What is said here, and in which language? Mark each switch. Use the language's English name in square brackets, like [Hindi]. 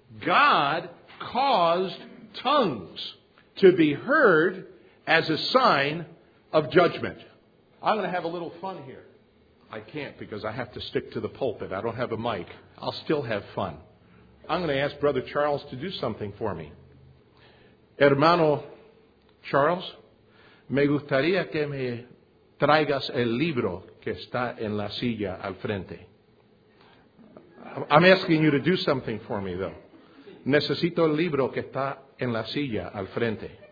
[English] God caused tongues to be heard as a sign of judgment. I'm going to have a little fun here. I can't because I have to stick to the pulpit. I don't have a mic. I'll still have fun. I'm going to ask Brother Charles to do something for me. [Spanish] Hermano Charles, me gustaría que me traigas el libro que está en la silla al frente. [English] I'm asking you to do something for me, though. [Spanish] Necesito el libro que está en la silla al frente.